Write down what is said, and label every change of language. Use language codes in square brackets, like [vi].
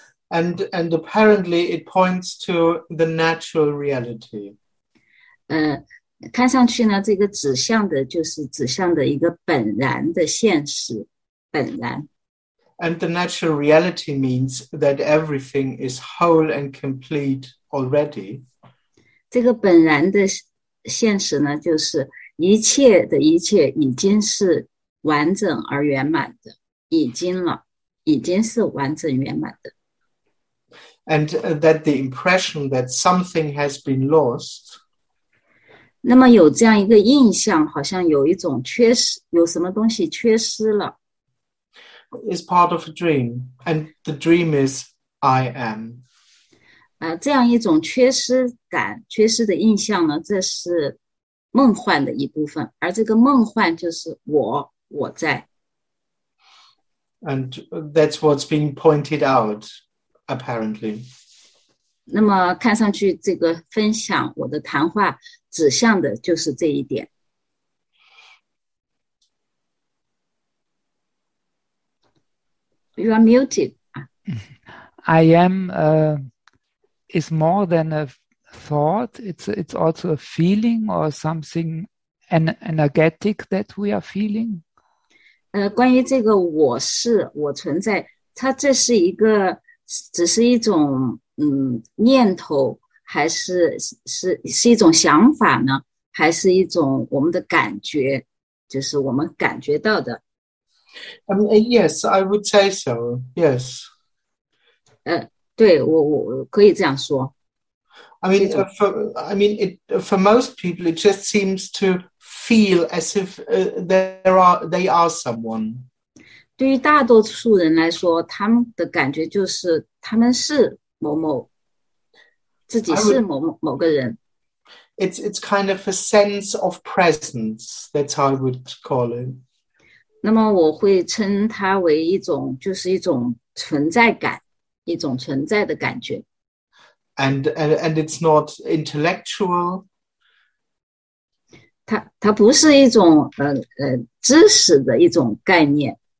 [en] And apparently, it points to the natural reality. [zh] 看上去呢，这个指向的就是指向的一个本然的现实，本然。 [en] And the natural reality means that everything is whole and complete already. [zh] 这个本然的现实呢，就是。一切的一切已经是完整而圆满的，已经是完整圆满的。 [en] And that the impression that something has been lost. [zh] 那么有这样一个印象，好像有一种缺失，有什么东西缺失了。 [en] Is part of a dream, and the dream is I am. [zh] 这样一种缺失感、缺失的印象呢，这是。梦幻的一部分，而这个梦幻就是我在。 [en] And that's what's being pointed out, apparently. [zh] 那么看上去，这个分享我的谈话指向的就是这一点。 [en] You are muted. I am is more than a thought. It's also a feeling or something energetic that we are feeling. [zh] 关于这个我是我存在，它这是一个，只是一种念头，还是一种想法呢？还是一种我们的感觉，就是我们感觉到的。 [en] Yes, I would say so. Yes. [zh] 对，我可以这样说， [en] I [zh] 这 [en] mean, [zh] 种。 [en] for most people, it just seems to feel as if they are someone. [zh] 对于大多数人来说，他们的感觉就是他们是某某，自己 [en] I would. [zh] 是某某某个人。 [en] It's kind of a sense of presence, that's how I would call it. [zh] 那么我会称它为一种，就是一种存在感，一种存在的感觉。 [en] And it's not intellectual. [zh] 它不是一种知识的一种概念。